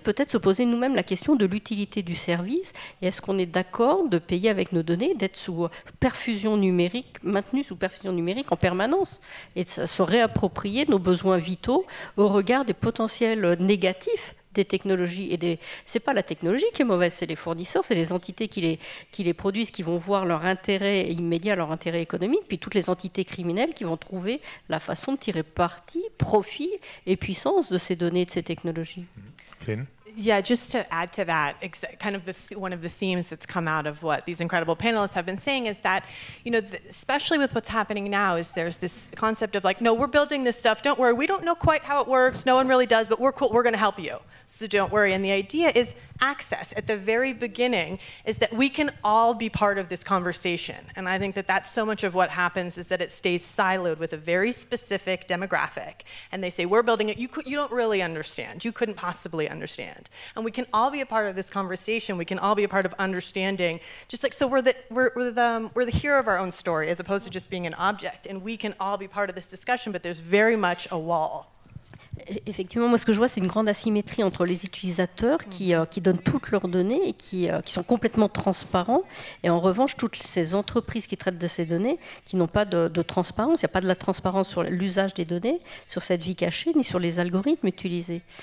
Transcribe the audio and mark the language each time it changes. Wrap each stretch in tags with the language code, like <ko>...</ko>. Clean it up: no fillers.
<fr>Peut-être se poser nous-mêmes la question de l'utilité du service. Et est-ce qu'on est d'accord de payer avec nos données, d'être sous perfusion numérique, maintenu sous perfusion numérique en permanence, et de se réapproprier nos besoins vitaux au regard des potentiels négatifs des technologies et c'est pas la technologie qui est mauvaise, c'est les fournisseurs, c'est les entités qui les produisent, qui vont voir leur intérêt immédiat, leur intérêt économique, puis toutes les entités criminelles qui vont trouver la façon de tirer parti, profit et puissance de ces données et de ces technologies.</fr> <en>Flynn. Yeah, just to add to that, kind of one of the themes that's come out of what these incredible panelists have been saying is that, especially with what's happening now, is there's this concept of like, no, we're building this stuff, don't worry, we don't know quite how it works, no one really does, but we're cool, we're going to help you, so don't worry. And the idea is access at the very beginning is that we can all be part of this conversation. And I think that that's so much of what happens is that it stays siloed with a very specific demographic. And they say, we're building it, you don't really understand, you couldn't possibly understand. And we can all be a part of this conversation. We can all be a part of understanding. Just like, so we're the hero of our own story, as opposed to just being an object. And we can all be part of this discussion, but there's very much a wall.</en> <fr>Effectivement, moi, ce que je vois, c'est une grande asymétrie entre les utilisateurs qui donnent toutes leurs données et qui sont complètement transparents, et en revanche, toutes ces entreprises qui traitent de ces données qui n'ont pas de transparence. Il n'y a pas de la transparence sur l'usage des données, sur cette vie cachée, ni sur les algorithmes utilisés.</fr>